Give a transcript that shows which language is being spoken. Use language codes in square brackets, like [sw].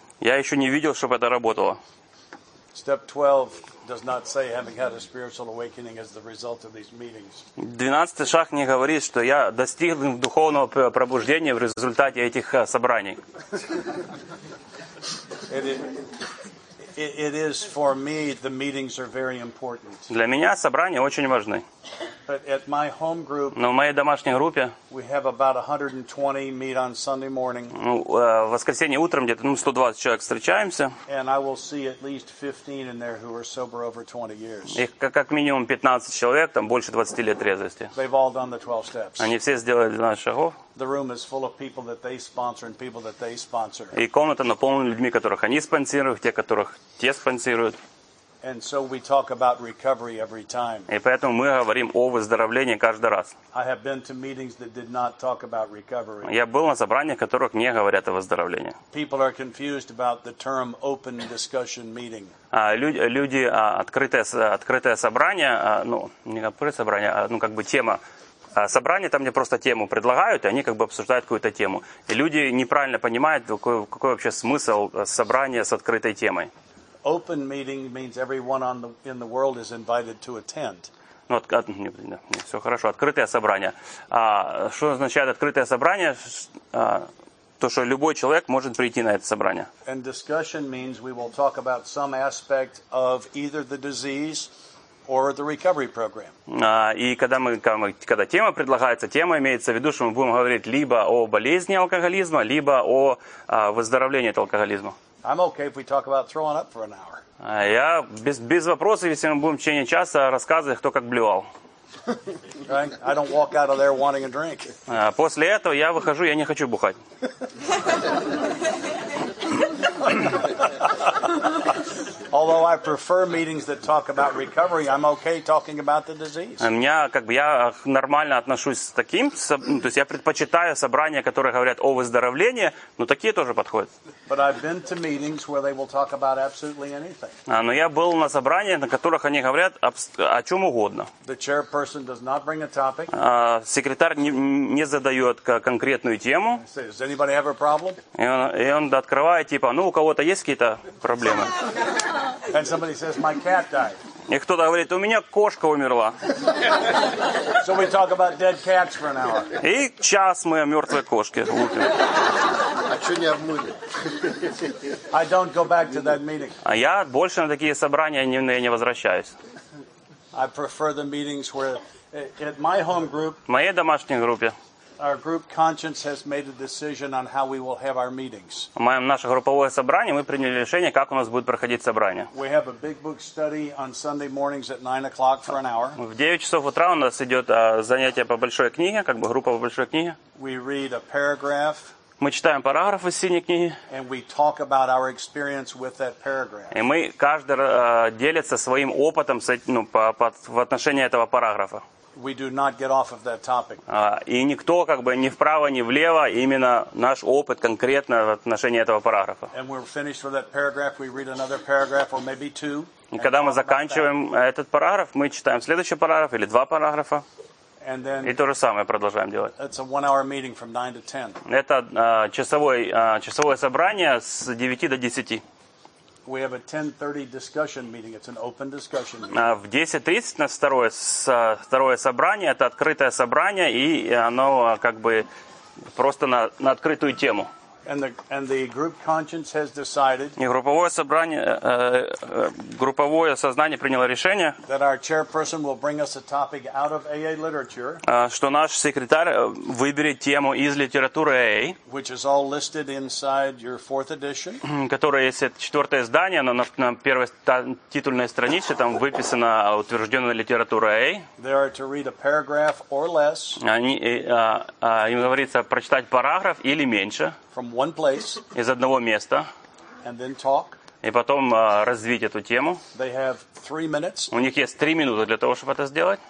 [ru] Я еще не видел, чтобы это работало. [en] Step 12. does not say having had a spiritual awakening as the result of these meetings. [ru] 12-й шаг не говорит, что я достиг духовного пробуждения в результате этих собраний. [en] It is for me the meetings are very important. [ru] Для меня собрания очень важны. [en] But at my home group, [ru] но в моей домашней группе, [en] we have about 120 meet on Sunday morning. [ru] Ну, в воскресенье утром где-то, ну, 120 человек встречаемся. [en] And I will see at least 15 in there who are sober over 20 years. [ru] Их как минимум 15 человек, там больше 20 лет трезвости. [en] They've all done the 12 steps. [ru] Они все сделали 12 шагов. [en] The room is full of people that they sponsor and people that they sponsor. [ru] И комната наполнена людьми, которых они спонсируют, те, которых те спонсируют. [en] And so we talk about recovery every time. [ru] И поэтому мы говорим о выздоровлении каждый раз. [en] I have been to meetings that did not talk about recovery. [ru] Я был на собраниях, в которых не говорят о выздоровлении. [en] People are confused about the term open discussion meeting. [ru] Люди открытое собрание, ну, не открытое собрание, а, ну, как бы тема. Собрание там, где просто тему предлагают, и они как бы обсуждают какую-то тему. И люди неправильно понимают, какой вообще смысл собрания с открытой темой. [en] Open meeting means everyone on the, in the world is invited to attend. [ru] Ну, все хорошо. Открытое собрание. Что означает открытое собрание? То, что любой человек может прийти на это собрание. [en] And discussion means we will talk about some aspect of either the disease or the recovery program. [ru] И когда тема предлагается, тема имеется в виду, что мы будем говорить либо о болезни алкоголизма, либо о выздоровлении от алкоголизма. [en] I'm okay if we talk about throwing up for an hour. [ru] Я без вопросов, если мы будем в течение часа рассказывать, кто как блевал. [en] I don't walk out of there wanting a drink. [ru] После этого я выхожу, я не хочу бухать. [en] Although I prefer meetings that talk about recovery, I'm okay talking about the disease. [ru] Меня, как бы, я нормально отношусь с таким, то есть я предпочитаю собрания, которые говорят о выздоровлении, но такие тоже подходят. [en] But I've been to meetings where they will talk about absolutely anything. [ru] Но я был на собраниях, на которых они говорят о чем угодно. [en] The chairperson does not bring a topic. [ru] Секретарь не задает конкретную тему. [en] Does anybody have a problem? [ru] И он открывает, типа, ну, у кого-то есть какие-то проблемы? [en] And somebody says, my cat died. [ru] И кто-то говорит, у меня кошка умерла. [en] So we talk about dead cats for an hour. [ru] И час мы о мертвой кошке. А что не обмыли? [en] I don't go back to that meeting. [ru] А я больше на такие собрания не возвращаюсь. [en] I prefer the meetings where, at my home group, [ru] в моей домашней группе, [en] our group conscience has made a decision on how we will have our meetings. [ru] Мы наше групповое собрание, мы приняли решение, как у нас будет проходить собрание. [en] We have a big book study on Sunday mornings at 9 o'clock for an hour. [ru] В 9 часов утра у нас идет занятие по большой книге, как бы группа по большой книге. [en] We read a paragraph. [ru] Мы читаем параграф из синей книги. [en] And we talk about our experience with that paragraph. [ru] И мы каждый делится своим опытом в отношении этого параграфа. [en] We do not get off of that topic. [ru] И никто как бы ни вправо, ни влево, именно наш опыт конкретно в отношении этого параграфа. [en] And we're finished with that paragraph, we read another paragraph or maybe two. [ru] И когда мы заканчиваем этот параграф, мы читаем следующий параграф или два параграфа. [en] And then [ru] и то же самое продолжаем делать. [en] It's a one-hour meeting from 9 to 10. [ru] Это часовое собрание с 9 до 10. [en] We have a 10:30 discussion meeting. It's an open discussion meeting. [ru] В 10:30 на второе собрание, это открытое собрание, и оно как бы просто на открытую тему. [en] And the group conscience has decided. [ru] И групповое сознание приняло решение. [en] That our chairperson will bring us a topic out of AA literature. [ru] Что наш секретарь выберет тему из литературы AA. [en] Which is all listed inside your fourth edition. [ru] Которое есть четвертое издание, но на первой титульной странице там выписана утвержденная литература AA. [en] They are to read a paragraph or less. [ru] Им говорится прочитать параграф или меньше. [en] From one place, [ru] из одного места, [en] and then talk. [ru] И потом развить эту тему. [en] They have 3 minutes, [ru] у них есть 3 минуты для того, чтобы это сделать,